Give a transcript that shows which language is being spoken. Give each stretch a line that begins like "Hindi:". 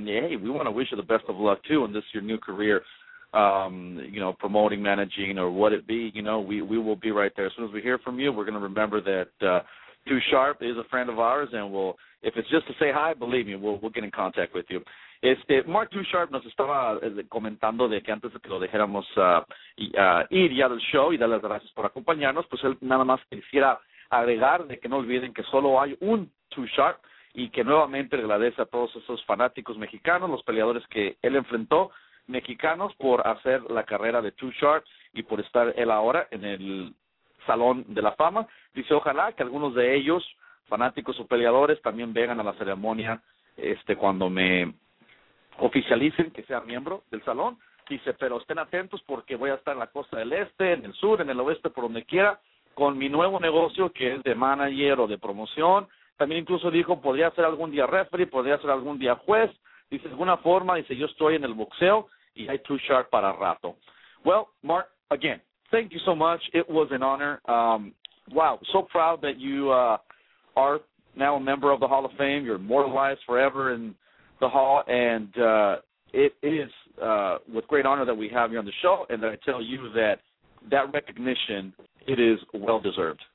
English: And, hey, we want to wish you the best of luck, too, in this your new career, you know, promoting, managing, or what it be. You know, we will be right there. As soon as we hear from you, we're going to remember that Too Sharp is a friend of ours, and we'll, if it's just to say hi, believe me, we'll get in contact with you.
Spanish: Mark Too Sharp nos estaba comentando de que antes de que lo dejáramos ir ya del show y dar las gracias por acompañarnos, pues él nada más quisiera agregar de que no olviden que solo hay un Too Sharp y que nuevamente agradece a todos esos fanáticos mexicanos, los peleadores que él enfrentó, mexicanos, por hacer la carrera de Too Sharp y por estar él ahora en el Salón de la Fama. Dice, ojalá que algunos de ellos, fanáticos o peleadores, también vengan a la ceremonia cuando me oficialicen que sea miembro del salón. Dice, pero estén atentos porque voy a estar en la costa del este, en el sur, en el oeste, por donde quiera, con mi nuevo negocio que es de manager o de promoción. También incluso dijo, podría ser algún día referee, podría ser algún día juez. Dice, de alguna forma, dice, yo estoy en el boxeo y hay Too Sharp para rato.
English: Well, Mark, again, thank you so much. It was an honor. Wow, so proud that you are now a member of the Hall of Fame. You're immortalized forever in the Hall, and it is with great honor that we have you on the show, and that I tell you that recognition, it is well-deserved.